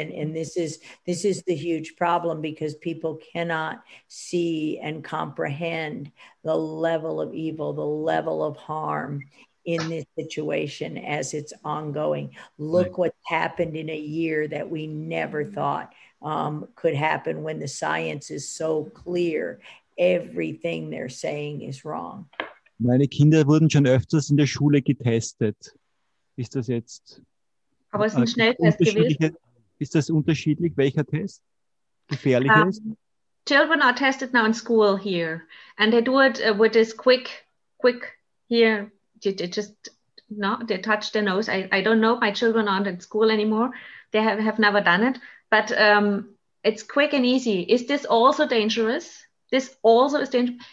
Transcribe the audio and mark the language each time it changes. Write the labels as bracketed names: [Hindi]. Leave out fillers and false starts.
[English] And this is the huge problem because people cannot see and comprehend the level of evil, the level of harm in this situation as it's ongoing. Look what's happened in a year that we never thought could happen when the science is so clear. Everything they're saying is wrong. [German] Meine Kinder wurden schon öfters in der Schule getestet. Ist das jetzt? Aber es ist ein Schnelltest gewesen. Ist das unterschiedlich, welcher Test gefährlich ist? [English] Children are tested now in school here, and they do it with this quick here. They just no, they touch their nose. I don't know. My children aren't at school anymore. They have never done it. But it's quick and easy. Is this also dangerous? This also is dangerous.